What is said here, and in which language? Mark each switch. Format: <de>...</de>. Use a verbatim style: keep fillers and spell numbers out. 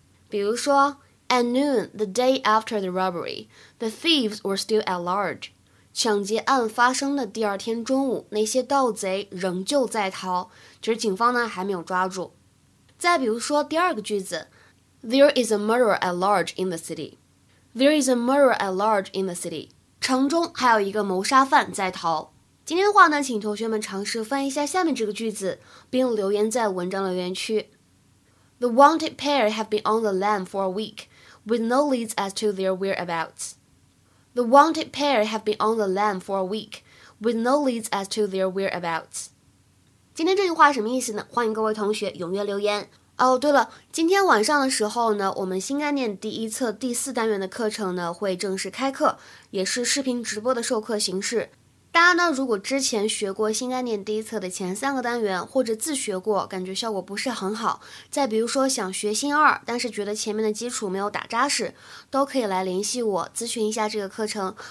<zh>比如说</zh> <en>At noon, the day after the robbery, the thieves were still at large.</en> <zh>抢劫案发生的第二天中午，那些盗贼仍旧在逃，只是警方呢还没有抓住。再比如说第二个句子</zh> <en>There is a murderer at large in the city. There is a murderer at large in the city.</en> <zh>城中还有一个谋杀犯在逃。今天的话呢，请同学们尝试翻译一下下面这个句子，并留言在文章留言区。</zh> <en>The wanted pair have been on the lam for a week, with no leads as to their whereabouts. The wanted pair have been on the lam for a week, with no leads as to their whereabouts.</en> <zh>今天这句话什么意思呢？欢迎各位同学踊跃留言。哦，对了，今天晚上的时候呢，我们新概念第一册第四单元的课程呢会正式开课，也是视频直播的授课形式。大家呢，如果之前学过新概念第一册的前三个单元，或者自学过，感觉效果不是很好，再比如说想学新二，但是觉得前面的基础没有打扎实，都可以来联系我咨询一下这个课程。</zh>